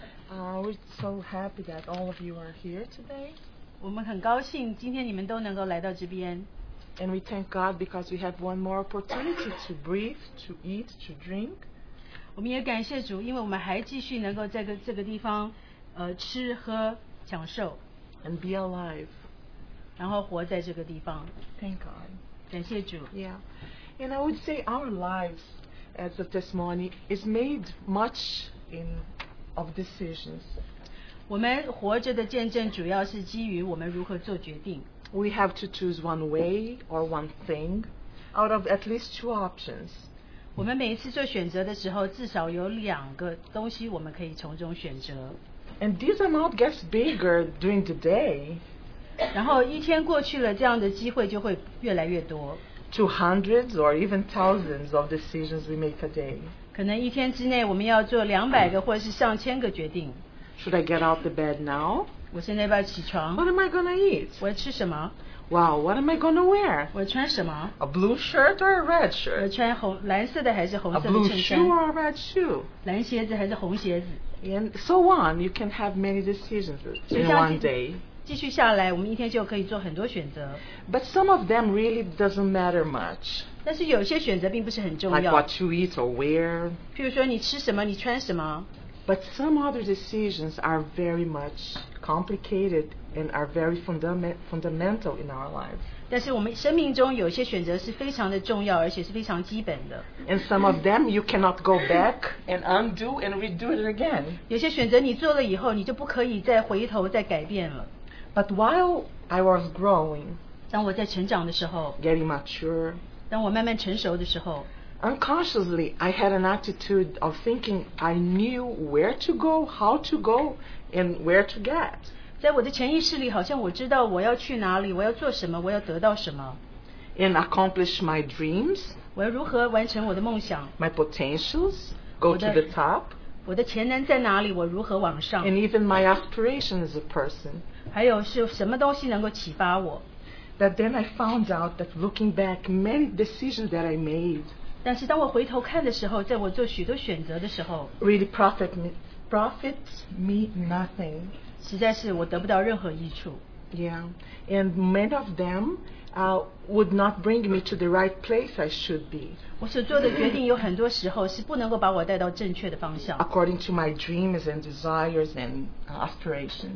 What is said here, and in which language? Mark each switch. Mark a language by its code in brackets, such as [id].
[en] We're so happy that all of you are here today. [zh] 我们很高兴今天你们都能够来到这边。 [en] And we thank God because we have one more opportunity to breathe, to eat, to drink. [zh] 我们也感谢主，因为我们还继续能够在这个地方，吃喝享受。 [en] And be alive. [zh] 然后活在这个地方。 [en] Thank God. [zh] 感谢主。 [en] Yeah. And I would say our lives as a testimony is made much of decisions. [zh] 我们活着的见证主要是基于我们如何做决定。 [en] We have to choose one way or one thing out of at least two options. [zh] 我们每一次做选择的时候，至少有两个东西我们可以从中选择。 [en] And this amount gets bigger during the day. [zh] 然后一天过去了，这样的机会就会越来越多。 [en] To hundreds or even thousands of decisions we make a day. [zh] 可能一天之内我们要做两百个或是上千个决定。 [en] Should I get out the bed now? [zh] 我现在要不要起床? [en] What am I going to eat? [zh] 我要吃什么? [en] Wow, what am I going to wear? [zh] 我要穿什么? [en] A blue shirt or a red shirt? [zh] 我要穿红,蓝色的还是红色的衬衫? [en] A blue shoe or a red shoe? [zh] 蓝鞋子还是红鞋子? [en] And so on, you can have many decisions in one day. [zh] 继续下来，我们一天就可以做很多选择。 [en] But some of them really doesn't matter much. [zh] 但是有些选择并不是很重要。 [en] Like what to eat or wear. [zh] 譬如说你吃什么，你穿什么。 [en] But some other decisions are very much complicated and are very fundamental in our lives. [zh] 但是我们生命中有些选择是非常的重要，而且是非常基本的。 [en] And some of them you cannot go back and undo and redo it again. [zh] 有些选择你做了以后，你就不可以再回头再改变了。 [en] But while I was growing, [zh] 当我在成长的时候 [en] getting mature, [zh] 当我慢慢成熟的时候 [en] unconsciously, I had an attitude of thinking I knew where to go, how to go, and where to get. [zh] 在我的潜意识里好像我知道我要去哪里，我要做什么，我要得到什么。 [en] And accomplish my dreams, [zh] 我要如何完成我的梦想。 [en] My potentials, go to the top, [zh] 我的潜能在哪里，我如何往上。 [en] And even my aspiration as a person, [zh] 还有是什么东西能够启发我？ [en] But then I found out that looking back, many decisions that I made. [zh] 但是当我回头看的时候，在我做许多选择的时候 [en] ，really profit me nothing. [zh] 实在是我得不到任何益处。 [en] Yeah, and many of them, would not bring me to the right place I should be. [zh] 我所做的决定有很多时候是不能够把我带到正确的方向。 [en] According to my dreams and desires and aspirations.